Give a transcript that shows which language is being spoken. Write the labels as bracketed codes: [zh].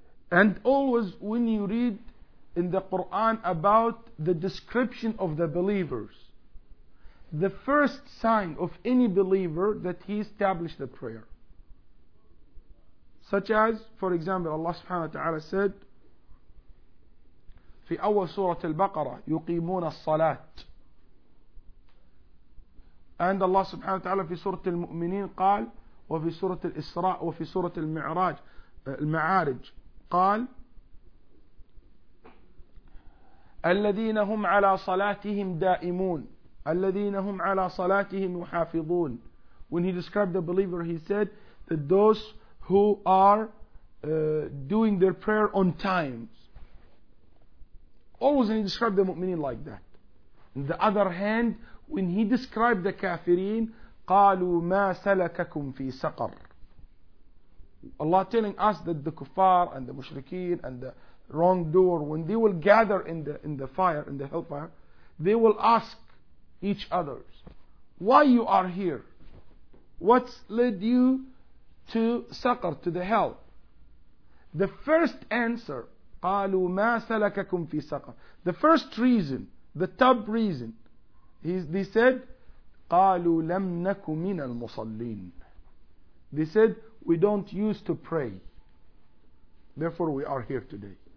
[en] And always when you read in the Quran about the description of the believers, the first sign of any believer that he established the prayer. Such as, for example, Allah subhanahu wa ta'ala said, [ar] في أول سورة البقرة يقيمون الصلاة. And Allah subhanahu wa ta'ala في سورة المؤمنين قال, وفي سورة الإسراء وفي سورة المعراج المعارج قال, الذين هم على صلاتهم دائمون, الذين هم على صلاتهم يحافظون. [en] When he described the believer, he said that those who are doing their prayer on times. Always when he described the mu'mineen like that. On the other hand, when he described the kafirin, [ar] قَالُوا مَا سَلَكَكُمْ فِي سَقَرْ. [en] Allah telling us that the kuffar and the mushrikeen and the wrongdoer, when they will gather in the fire, in the hellfire, they will ask each other, why you are here? What's led you to Saqar, to the hell? The first answer, [ar] قَالُوا مَا سَلَكَكُمْ فِي سَقَرْ. [en] The first reason, the top reason, they said, [ar] قَالُوا لَمْ نَكُ مِنَ الْمُصَلِّينَ. [en] They said, we don't used to pray. Therefore we are here today.